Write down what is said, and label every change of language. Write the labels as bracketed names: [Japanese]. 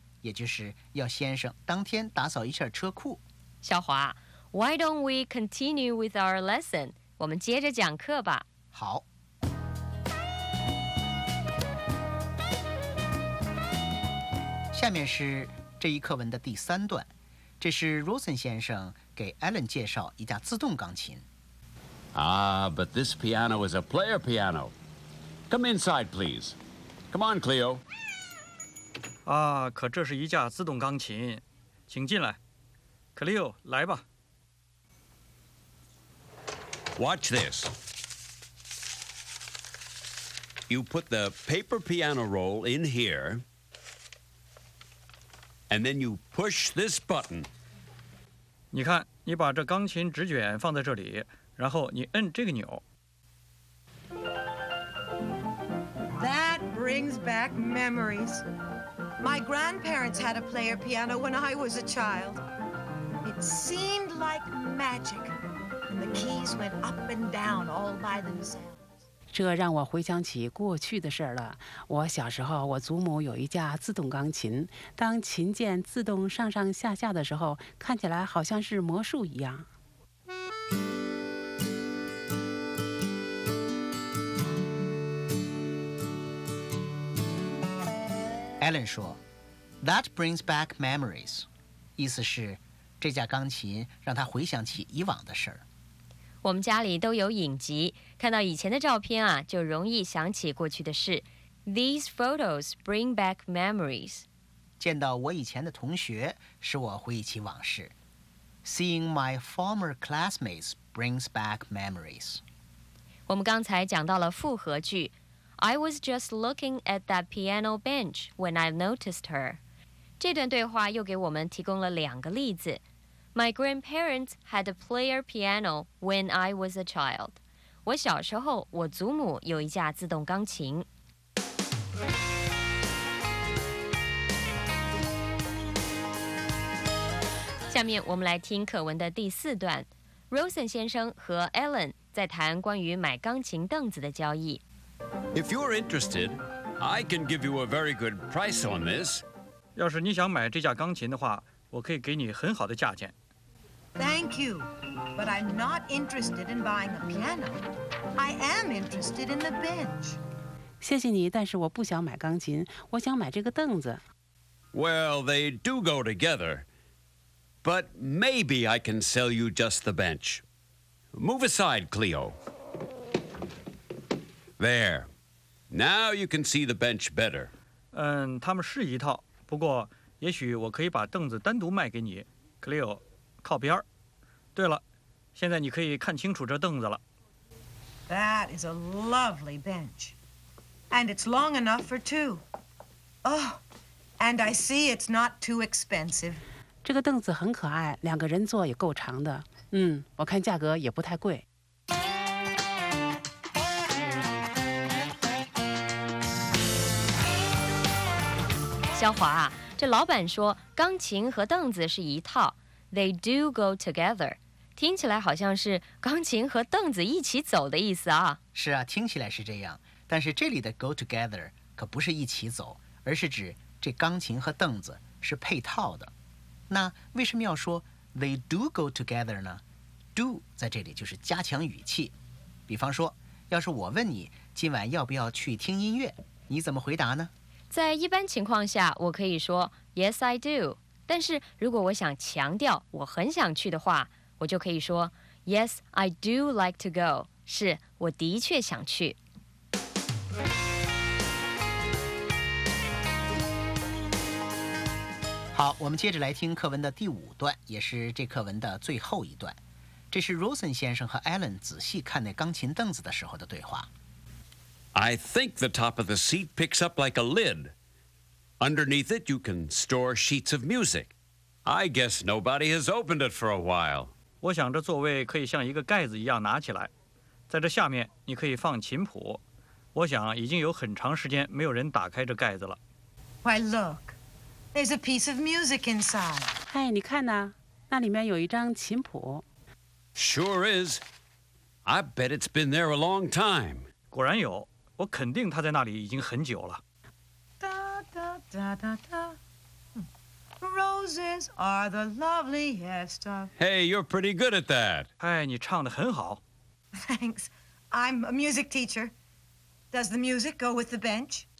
[Chinese] 也就是要先生当天打扫一下车库。 [English] 小华 Why don't we continue with our lesson? [Chinese] 我们接着讲课吧。好。下面是这一课文的第三段。这是 Rosen 先生给 Alan 介绍一架自动钢琴。 [English] Ah, but this piano is a player piano. Come inside, please. Come on, Cleo. [Chinese] 啊，可这是一架自动钢琴，请进来。 Cleo, 来吧。 [English] Watch this. You put the paper piano roll in here, and then you push this button. [Chinese] 你看，你把这钢琴纸卷放在这里，然后你摁这个钮。 [English] That brings back memories. My grandparents had a player piano when I was a child. It seemed like magic, and the keys went up and down all by themselves. [Chinese] 这让我回想起过去的事了。我小时候，我祖母有一架自动钢琴，当琴键自动上上下下的时候，看起来好像是魔术一样。 Alan 说 ， [English] That brings back memories， [Chinese] 意思是这架钢琴让他回想起以往的事儿。我们家里都有影集，看到以前的照片啊，就容易想起过去的事。 [English] These photos bring back memories. [Chinese] 见到我以前的同学，使我回忆起往事。 [English] Seeing my former classmates brings back memories. [Chinese] 我们刚才讲到了复合句。 [English] I was just looking at that piano bench when I noticed her. [Chinese] 这段对话又给我们提供了两个例子。 [English] My grandparents had a player piano when I was a child. [Chinese] 我小时候，我祖母有一架自动钢琴。下面我们来听课文的第四段。Rosen 先生和 Alan 在谈关于买钢琴凳子的交易。 [English] If you're interested, I can give you a very good price on this. [Chinese] 要是你想买这架钢琴的话，我可以给你很好的价钱。 [English] Thank you, but I'm not interested in buying a piano. I am interested in the bench. [Chinese] 谢谢你，但是我不想买钢琴，我想买这个凳子。 [English] Well, they do go together. But maybe I can sell you just the bench. Move aside, Cleo. There. Now you can see the bench better. [Chinese] 嗯，他们是一套，不过也许我可以把凳子单独卖给你，克利奥，靠边儿。对了，现在你可以看清楚这凳子了。 [English] That is a lovely bench. And it's long enough for two. Oh, and I see it's not too expensive. [Chinese] 这个凳子很可爱，两个人坐也够长的。嗯，我看价格也不太贵。小华啊，这老板说钢琴和凳子是一套， [English] They do go together， [Chinese] 听起来好像是钢琴和凳子一起走的意思啊。是啊，听起来是这样，但是这里的 [English] go together [Chinese] 可不是一起走，而是指这钢琴和凳子是配套的。那为什么要说 [English] They do go together [Chinese] 呢？ Do 在这里就是加强语气。比方说，要是我问你今晚要不要去听音乐，你怎么回答呢？在一般情况下我可以说 [English] Yes, I do， [Chinese] 但是如果我想强调我很想去的话，我就可以说 [English] Yes, I do like to go， [Chinese] 是我的确想去。好，我们接着来听课文的第五段，也是这课文的最后一段。这是 Rosen 先生和 Alan 仔细看那钢琴凳子的时候的对话。 [English] I think the top of the seat picks up like a lid. Underneath it, you can store sheets of music. I guess nobody has opened it for a while. [Chinese] 我想这座位可以像一个盖子一样拿起来，在这下面你可以放琴谱。我想已经有很长时间没有人打开这盖子了。 [English] Why look? There's a piece of music inside. [Chinese] 哎，你看呐，那里面有一张琴谱。 [English] Sure is. I bet it's been there a long time. [Chinese] 果然有，我肯定他在那里已经很久了。 [English] 哒哒哒哒 ，Roses are the loveliest of. Hey, you're pretty good at that. [Chinese] 哎，你唱得很好。 [English] Thanks, I'm a music teacher. Does the music go with the bench?